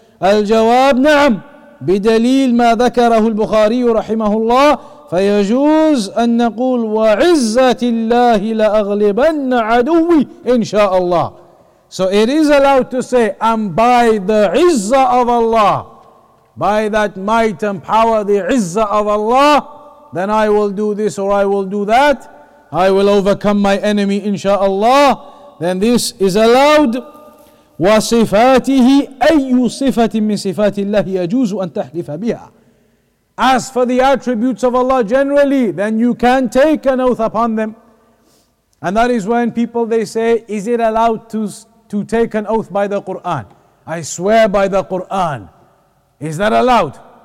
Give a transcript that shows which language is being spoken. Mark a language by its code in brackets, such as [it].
[ar] الجواب نعم بدليل ما ذكره البخاري رحمه الله فيجوز أن نقول وعزة الله لأغلبن عدوي إن شاء الله. [en] So it is allowed to say, and by the izzah of Allah, by that might and power, the izzah of Allah, then I will do this or I will do that. I will overcome my enemy [ar] إن شاء الله. [en] Then this is allowed. [ar] وصفاته أي صفة من صفات الله يجوز أن تحلف بها. [en] As for the attributes of Allah generally, then you can take an oath upon them. And that is when people, they say, is it allowed to take an oath by the Quran? I swear by the Quran. Is that allowed?